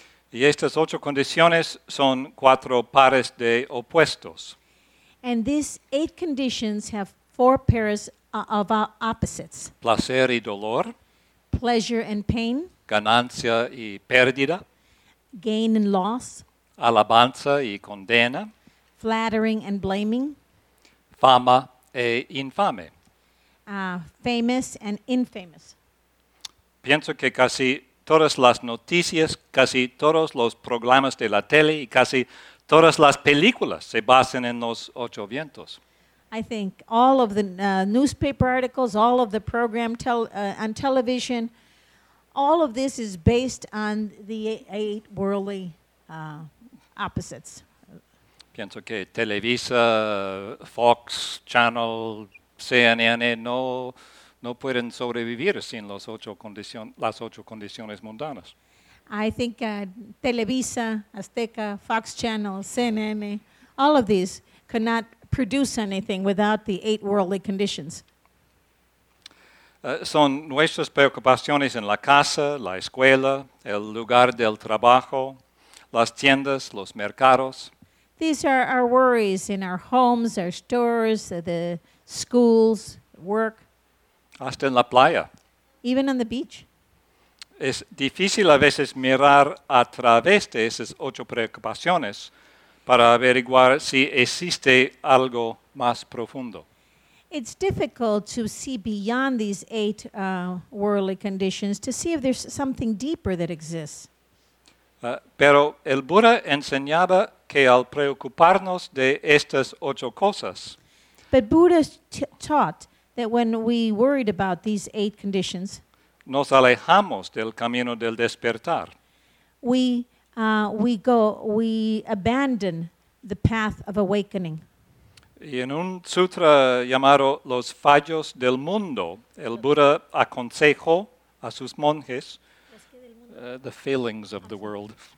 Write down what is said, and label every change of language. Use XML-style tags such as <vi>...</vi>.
<es>Y estas 8 condiciones son 4 pares de opuestos.</es> <en>And these 8 conditions have 4 pairs of opposites.</en> <es>Placer y dolor.</es> <en>Pleasure and pain.</en> <es>Ganancia y pérdida.</es> <en>Gain and loss.</en> <es>Alabanza y condena.</es> <en>Flattering and blaming.</en> <es>Fama e infame.</es> <en>Famous and infamous.</en> <es>Pienso que casi todas las noticias, casi todos los programas de la tele y casi todas las películas se basan en los 8 vientos.</es> <en>I think all of the newspaper articles, all of the program on television, all of this is based on the 8 worldly opposites.</en> <es>Pienso que Televisa, Fox, Channel, CNN no pueden sobrevivir sin las 8 condiciones mundanas.</es> <en>I think Televisa, Azteca, Fox Channel, CNN, all of these could not produce anything without the 8 worldly conditions.</en> <es>son nuestras preocupaciones en la casa, la escuela, el lugar del trabajo, las tiendas, los mercados.</es> <en>These are our worries in our homes, our stores, the schools, work.</en> <es>Hasta en la playa.</es> <en>Even on the beach.</en> <es>Es difícil a veces mirar a través de esas 8 preocupaciones para averiguar si existe algo más profundo.</es> <en>It's difficult to see beyond these 8 worldly conditions to see if there's something deeper that exists.</en> <es>Pero el Buda enseñaba que al preocuparnos de estas 8 cosas,</es> <en>but Buddha taught that when we worried about these 8 conditions,</en> <es>nos alejamos del camino del despertar.</es> <en>We abandon the path of awakening.</en> <es>Y en un sutra llamado Los Fallos del Mundo, el Buda aconsejó a sus monjes,</es> <en>the failings of the world.</en>